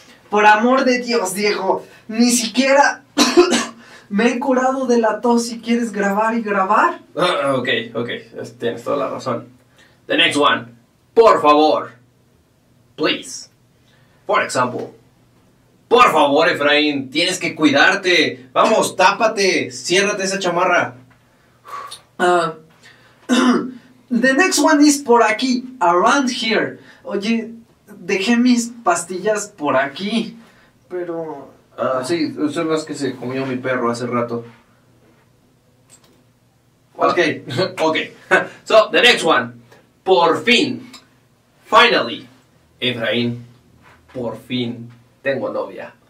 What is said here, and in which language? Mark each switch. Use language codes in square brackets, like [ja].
[es] Por amor de Dios, Diego, ni siquiera me he curado de la tos y quieres grabar y grabar. Ok, tienes toda la razón. [en] The next one, [es] por favor, please. [en] For example, [es] por favor, Efraín, tienes que cuidarte. Vamos, tápate, ciérrate esa chamarra. [en] The next one is por aquí, around here. [es] Oye, dejé mis pastillas por aquí, pero... Sí, observas que se comió mi perro hace rato. [en] Ok. So, the next one, por fin, finally. [es] Efraín, por fin tengo novia.